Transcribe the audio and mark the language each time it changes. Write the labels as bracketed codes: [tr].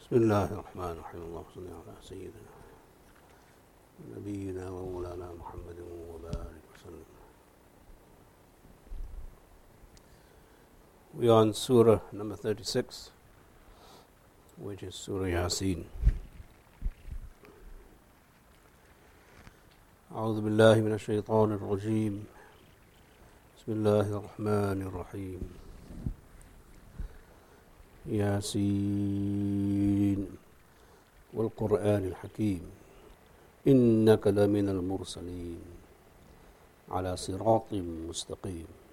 [ar] بسم الله الرحمن الرحيم اللهم صل على سيدنا نبينا ومولانا محمد وبارك وسلم. [en] We are on Surah number 36, which is Surah Yasin. [ar] أعوذ بالله من الشيطان الرجيم بسم الله الرحمن الرحيم ياسين والقرآن الحكيم إنك لمن المرسلين على صراط مستقيم.